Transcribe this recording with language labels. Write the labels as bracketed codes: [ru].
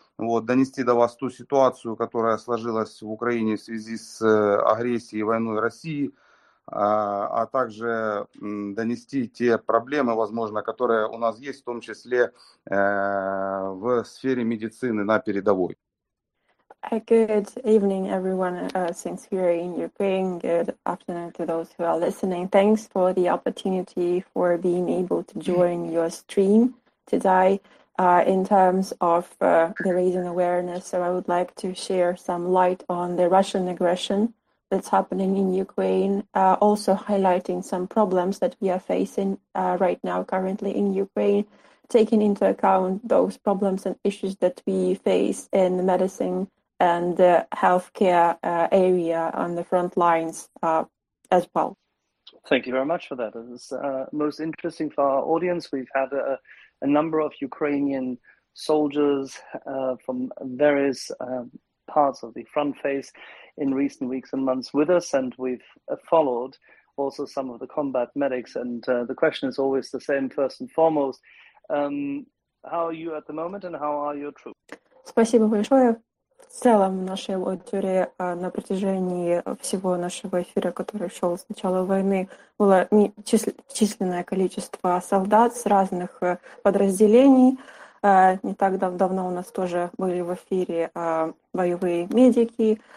[ru] Вот, донести до вас ту ситуацию, которая сложилась в Украине в связи с агрессией и войной России, а также донести те проблемы, возможно, которые у нас есть, в том числе в сфере медицины на передовой. [en] Good evening, everyone. Since we are in Ukraine, good afternoon to those who are listening. Thanks for the opportunity for being able to join your stream today. In terms of the raising awareness, so I would like to share some light on the Russian aggression that's happening in Ukraine, also highlighting some problems that we are facing right now currently in Ukraine, taking into account those problems and issues that we face in the medicine and the healthcare area on the front lines as well. Thank you very much for that. It was most interesting for our audience. We've had a number of Ukrainian soldiers from various parts of the front face in recent weeks and months with us, and we've followed also some of the combat medics. And the question is always the same, first and foremost. How are you at the moment, and how are your troops? [ru] Спасибо большое. [uk] В цілому нашій аудиторії [ru] на протяжении всего нашего эфира, который шел с начала войны, было численное количество солдат с разных подразделений. Не так давно у нас тоже были в эфире боевые медики.